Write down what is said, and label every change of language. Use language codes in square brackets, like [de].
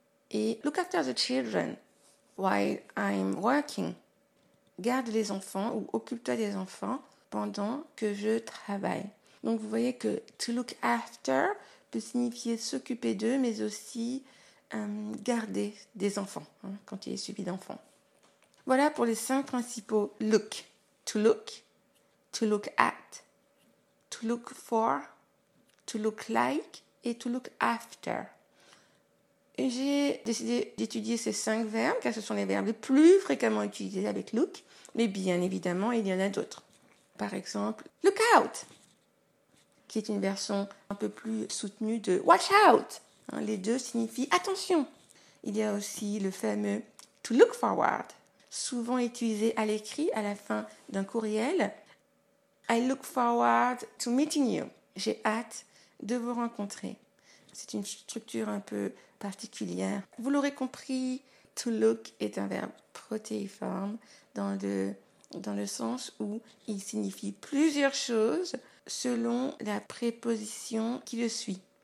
[en] Et look after the children while I'm working. [fr] Garde les enfants ou occupe-toi des enfants pendant que je travaille. Donc vous voyez que to look after peut signifier s'occuper d'eux, mais aussi garder des enfants hein, quand il est suivi d'enfants. Voilà pour les cinq principaux look. [en] To look at, to look for, to look like et to look after. [fr] J'ai décidé d'étudier ces cinq verbes car ce sont les verbes les plus fréquemment utilisés avec look, mais bien évidemment il y en a d'autres. Par exemple, look out, qui est une version un peu plus soutenue de watch out. Les deux signifient attention. Il y a aussi le fameux to look forward, souvent utilisé à l'écrit à la fin d'un courriel. [en] I look forward to meeting you. [fr] J'ai hâte de vous rencontrer. C'est une structure un peu particulière. Vous l'aurez compris, to look est un verbe protéiforme dans le sens où il signifie plusieurs choses selon la préposition qui le suit.